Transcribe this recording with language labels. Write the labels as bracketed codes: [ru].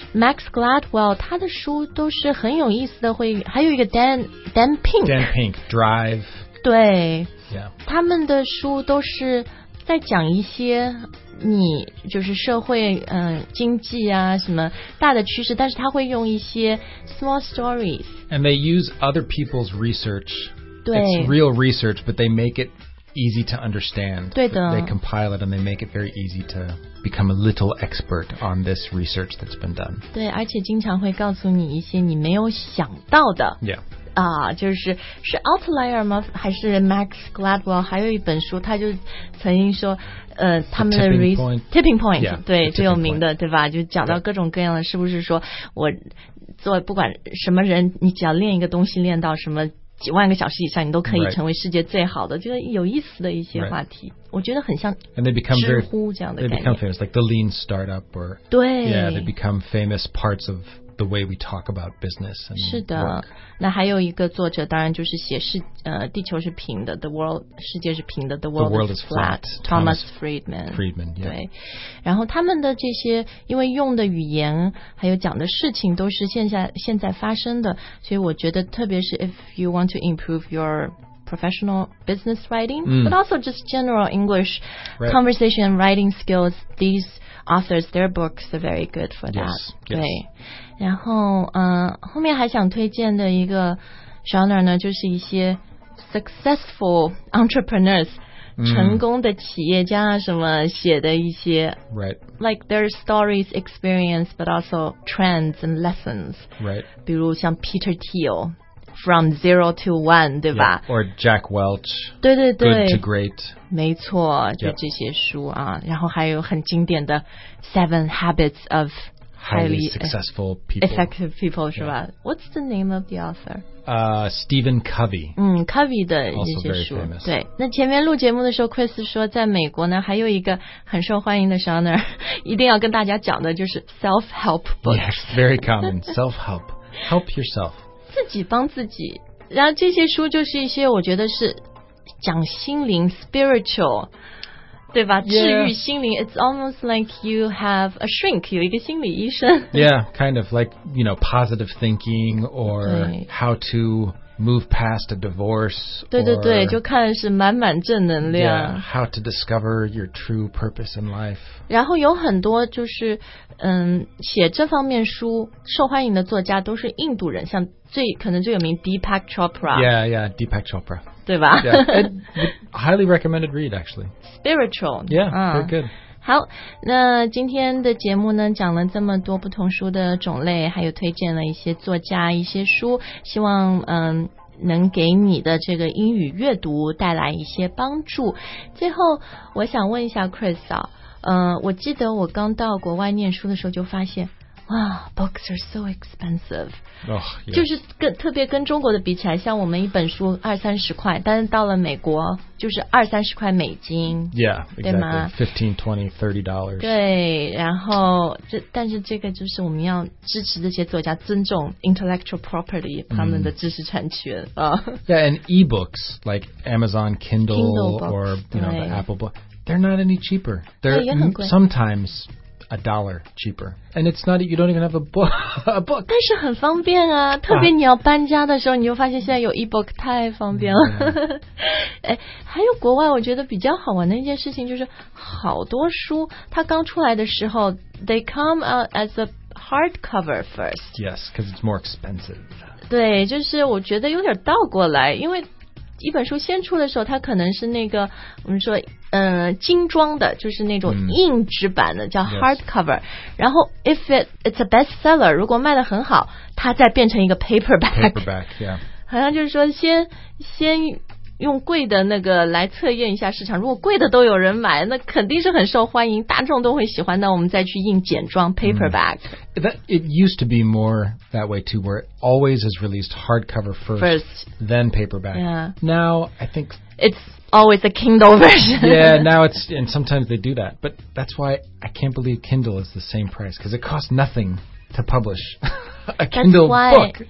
[zh] Max Gladwell 他的书都是很有意思的会还有一个 Dan Pink [en] Drive [zh] 对、 [en] yeah. [zh] 他们的书都是在讲一些你就是社会经济啊什么大的趋势但是他会用一些 [en] small stories and they use other people's research [zh] 对 [en] it's real research but they make it easy to understand [zh] 对的 [en] they compile it and they make it very easy to become a little expert on this research that's been done [zh] 对而且经常会告诉你一些你没有想到的 [en] yeah [zh] 就是是 outlier 吗还是 Max Gladwell 还有一本书他就曾经说他们的 [en] tipping point yeah, [zh] 对最有名的对吧就讲到各种各样的、 [en] yeah. [zh] 是不是说我做不管什么人你只要练一个东西练到什么几万个小时以上你都可以成为世界最好的、 [en] right. [zh] 这个有意思的一些话题、 [en] right. [zh] 我觉得很像知乎这样的概念 [en] they become famous like the lean startup or [zh] 对 [en] yeah they become famous parts of the way we talk about business. [zh] 是的，那还有一个作者，当然就是写是地球是平的 ， [en] the world [zh] 世界是平的 ， [en] the world is flat. Thomas Friedman. Friedman. [zh] 对，然后他们的这些，因为用的语言还有讲的事情都是现在发生的，所以我觉得特别是 [en] if you want to improve your professional business writing,、 [zh] mm. [en] but also just general English、 right. conversation and writing skills, these. Authors, their books are very good for that. Yes, yes. [zh] 对，然后后面还想推荐的一个 genre 呢，就是一些 [en] successful entrepreneurs,、 [zh] mm. 成功的企业家什么写的一些 [en] right, like their stories, experience, but also trends and lessons. Right. [zh] 比如像 Peter Thiel, From Zero to One, 对吧、 [en] yeah. Or Jack Welch. [zh] 对对对。 [en] Good to Great. [zh] 没错，就这些书啊， [en] yep. [zh] 然后还有很经典的 Seven Habits of [en] Highly Successful People, Effective People、yeah. [zh] 是吧？ [en] What's the name of the author? Stephen Covey. [zh] 嗯 ，Covey 的这些书。对，那前面录节目的时候 ，Chris 说在美国呢还有一个很受欢迎的 genre， 一定要跟大家讲的就是 self help books. [en] Yes, very common. Self help, help yourself. [zh] 自己帮自己，然后这些书就是一些我觉得是。讲心灵 spiritual 对吧、 [en] yeah. [zh] 治愈心灵 [en] it's almost like you have a shrink [zh] 有一个心理医生 [en] yeah kind of like you know positive thinking or how to move past a divorce [zh] 对对对就看是满满正能量 [en] yeah how to discover your true purpose in life [zh] 然后有很多就是写这方面书受欢迎的作家都是印度人像最可能最有名 Deepak Chopra [en] yeah yeah Deepak Chopra [zh] 对吧 [en] yeah, highly recommended read actually spiritual yeah very good [zh] 好那今天的节目呢讲了这么多不同书的种类还有推荐了一些作家一些书希望能给你的这个英语阅读带来一些帮助最后我想问一下 Chris 啊我记得我刚到国外念书的时候就发现哇 [en] books are so expensive、 oh, yeah. [zh] 就是跟特别跟中国的比起来像我们一本书二三十块但是到了美国就是二三十块美金 [en] yeah, [zh] 对吗、 [en] exactly. $15, $20, $30 [zh] 对然后这但是这个就是我们要支持这些作家尊重 intellectual property 他们的知识产权、mm. [en] yeah and ebooks like Amazon Kindle books, or you know, the Apple book they're not any cheaper they're sometimes a dollar cheaper and it's not you don't even have a book [zh] 但是很方便啊特别你要搬家的时候你就发现现在有 ebook 太方便了、 [en] yeah. [zh] 哎，还有国外我觉得比较好玩的一件事情就是好多书它刚出来的时候 [en] they come out as a hardcover first yes because it's more expensive [zh] 对就是我觉得有点倒过来因为一本书先出的时候它可能是那个我们说精装的就是那种硬纸版的、mm. 叫 hardcover、 [en] yes. [zh] 然后 [en] if it's a bestseller [zh] 如果卖得很好它再变成一个 paperback [en] paperback yeah [zh] 好像就是说先用贵的那个来测验一下市场如果贵的都有人买那肯定是很受欢迎大众都会喜欢那我们再去印简装 paperback、mm. [en] it used to be more that way too where it always is released hardcover first then paperback、 yeah. now I think it'sAlways a Kindle version. Yeah, now it's, and sometimes they do that. But that's why I can't believe Kindle is the same price, because it costs nothing to publish a Kindle book.